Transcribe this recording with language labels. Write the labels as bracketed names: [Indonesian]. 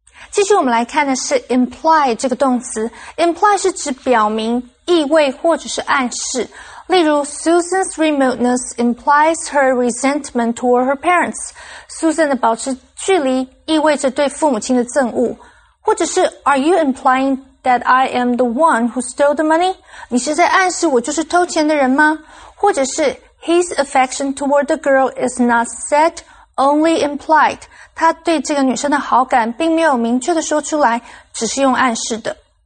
[Chinese] 继续我们来看的是 imply 这个动词。Imply 是指表明、意味或者是暗示。例如 [English] ,Susan's remoteness implies her resentment toward her parents. [Chinese] Susan 的保持距离意味着对父母亲的憎恶。或者是 [English] ,Are you implying that I am the one who stole the money? [Chinese] 你是在暗示我就是偷钱的人吗？或者是 [English] ,His affection toward the girl is not said, only implied. [Chinese] 他对这个女生的好感并没有明确的说出来，只是用暗示的。